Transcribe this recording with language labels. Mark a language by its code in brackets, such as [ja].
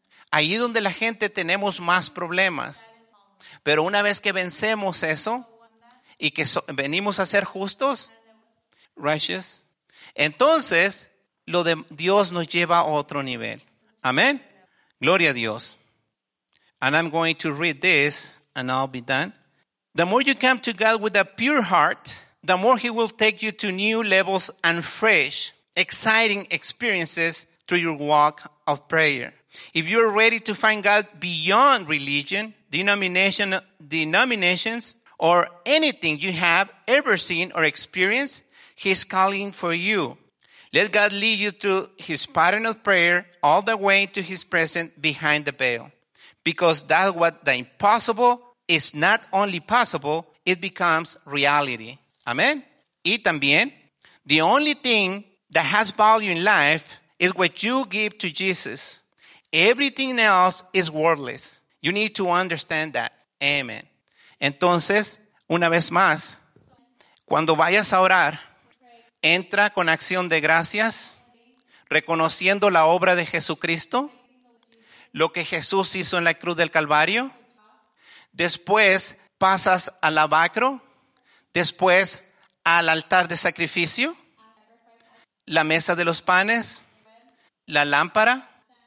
[es] Ahí donde la gente tenemos más problemas. Pero una vez que vencemos eso y que venimos a ser justos, righteous, Entonces, lo de Dios nos lleva a otro nivel. Amén. Gloria a Dios. [en] And I'm going to read this and I'll be done. The more you come to God with a pure heart, the more He will take you to new levels and fresh, exciting experiences through your walk of prayer. If you are ready to find God beyond religion, denominations, or anything you have ever seen or experienced, He's calling for you. Let God lead you through His pattern of prayer all the way to His presence behind the veil. Because that's what the impossible is not only possible, it becomes reality. Amen. [es] Y también, [en] the only thing that has value in life is what you give to Jesus. Everything else is worthless. You need to understand that. Amen. [es] Entonces, una vez más, cuando vayas a orar, entra con acción de gracias, reconociendo la obra de Jesucristo, lo que Jesús hizo en la cruz del Calvario. Después pasas al lavacro, después al altar de sacrificio, la mesa de los panes, la lámpara.